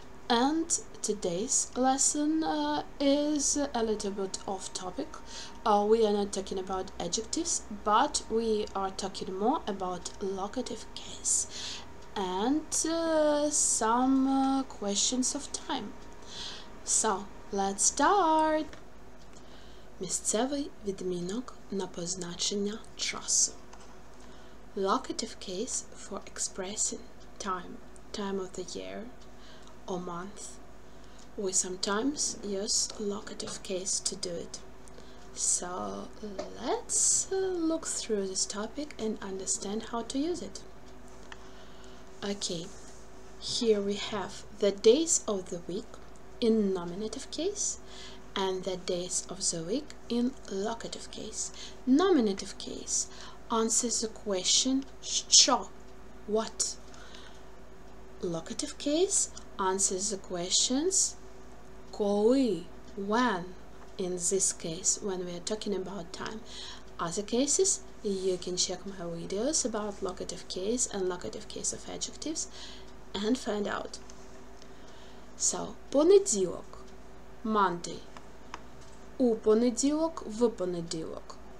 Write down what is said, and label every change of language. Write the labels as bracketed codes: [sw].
[en] And today's lesson is a little bit off topic. We are not talking about adjectives, but we are talking more about locative case and some questions of time. So, let's start! [uk] Місцевий відмінок на позначення часу. [en] Locative case for expressing time, time of the year or month. We sometimes use locative case to do it. So let's look through this topic and understand how to use it. Okay, here we have the days of the week in nominative case and the days of the week in locative case. Nominative case answers the question що, what? Locative case answers the questions коли, when, in this case, when we are talking about time. Other cases, you can check my videos about locative case and locative case of adjectives and find out. So, понеділок, Monday. [uk] У понеділок, в понеділок.